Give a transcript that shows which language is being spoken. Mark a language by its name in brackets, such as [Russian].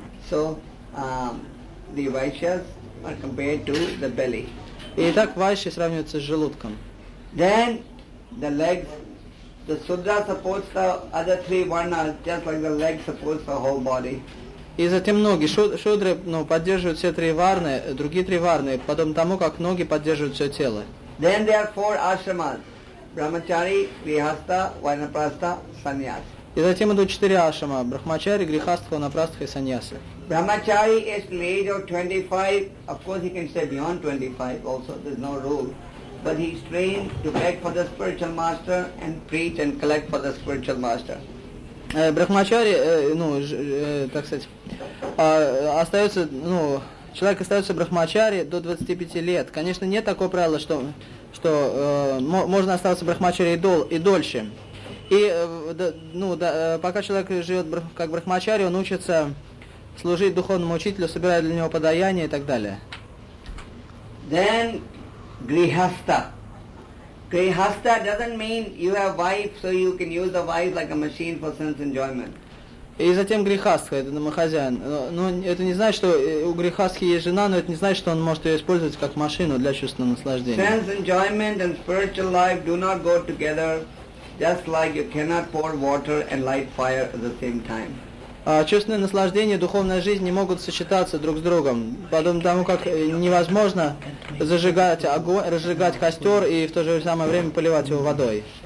[English] So, the vaishyas are compared to the belly. [Russian] И так ваши сравниваются с желудком. [English] Then the legs, the sudra supports the other three varnas just like the leg supports the whole body. [Russian] И затем ноги, шудры, ну, поддерживают все три варны, другие три варны, потом тому, как ноги поддерживают все тело. [English] Then there are four ashramas: brahmachari, grihastha, vanaprastha, sannyas. [Russian] И затем идут четыре ашрама: брахмачари, грихастха, ванапрастха и саньяса. [English] Brahmachari is the age of 25. Of course, he can stay beyond 25. Also, there's no rule. But he's trained to beg for the spiritual master and preach and collect for the spiritual master. [Russian] Брахмачари, ну, так сказать, остается, ну, человек остается брахмачари до 25 лет. Конечно, нет такого правила, что можно остаться брахмачари и дольше. И, ну, да, пока человек живет как брахмачари, он учится служить духовному учителю, собирает для него подаяние и так далее. [English] Then, grihastha. Grihastha doesn't mean you have wife, so you can use the wife like a machine for sense enjoyment. [Russian] И затем грихастха, это домохозяин. Ну, это не значит, что у грихастхи есть жена, но это не значит, что он может ее использовать как машину для чувственного наслаждения. [English] Sense enjoyment and spiritual life do not go together, just like you cannot pour water and light fire at the same time. [Russian] Чувственное наслаждение, духовная жизнь не могут сочетаться друг с другом, подобно тому, как невозможно зажигать огонь, разжигать костер и в то же самое время поливать его водой.